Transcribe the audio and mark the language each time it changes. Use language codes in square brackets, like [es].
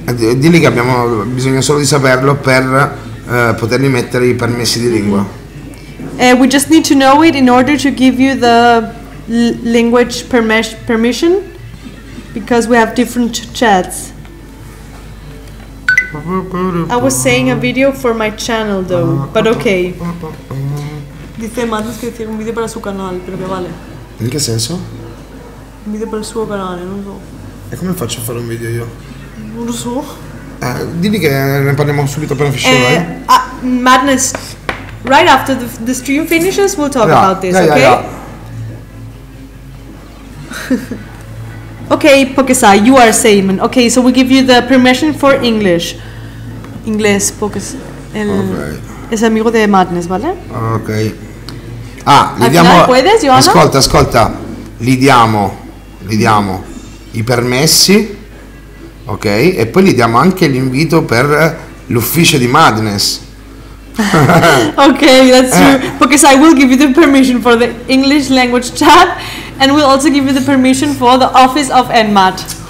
[it] Dili che abbiamo bisogno solo di saperlo per poterli mettere i permessi di lingua. [en] We just need to know it in order to give you the language permission because we have different chats. I was saying a video for my channel though, but okay. [it] Dice Matus che tiene un video per il suo canale, però che vale. In che senso? Un video per il suo canale, non so. E come faccio a fare un video io? Non lo so. Dimmi che ne parliamo subito appena finisce. [en] Madness, right after the stream finishes, we'll talk about this, okay? Okay, [it] perché sai, [en] you are Simon. Okay, so we give you the permission for English. [it] Inglese, perché [en] okay. [es] Es amigo de Madness, vale? [it] Ok. Ah, gli diamo. [es] Puedes, [it] ascolta. Gli diamo i permessi. Ok, e poi gli diamo anche l'invito per l'ufficio di Madness. [en] Ok, that's true. Because I will give you the permission for the English language chat and we'll also give you the permission for the office of Enmat.